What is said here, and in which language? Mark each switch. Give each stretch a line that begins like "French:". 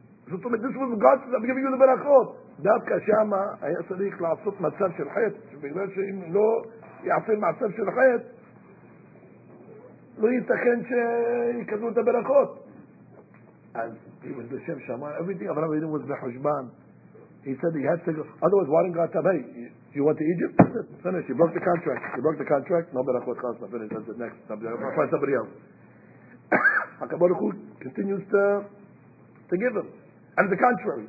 Hebrew: זאת אומרת,
English: this was God's, I'm giving you the ברכות.
Hebrew: דווקא שמה היה צריך לעשות מצב של חטא, שבגלל שאם לא יעשה מצב של חטא, לא ייתכן שיקבלו את הברכות.
English: אז he was b'shem shaman. Everything Avraham Avinu was b'chushban. He said he had to go. Otherwise, why didn't God tell him, hey, you went to Egypt? Finish. You broke the contract. You broke the contract. No berachot chas. I finish. That's it. Next. I'll find somebody else. HaKadosh Baruch Hu continues to give him. And the contrary.